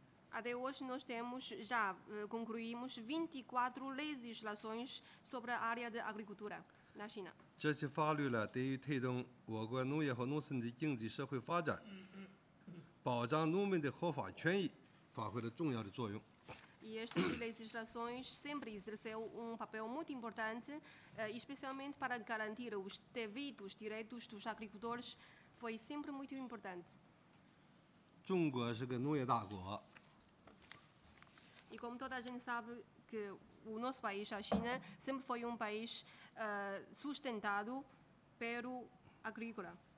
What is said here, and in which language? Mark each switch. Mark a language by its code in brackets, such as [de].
[pt] Até hoje nós temos já concluímos 24 legislações sobre a área de agricultura na China. [zh] 这些法律对于推动我国农业和农村的经济社会发展，保障农民的合法权益，发挥了重要的作用。 [pt] E estas legislações sempre exerceu papel muito importante, especialmente para garantir os devidos direitos dos agricultores, foi sempre muito importante. [zh] 中国是个农业大国。 [pt] E como toda a gente sabe que o nosso país, a China, sempre foi país sustentado pelo agrícola.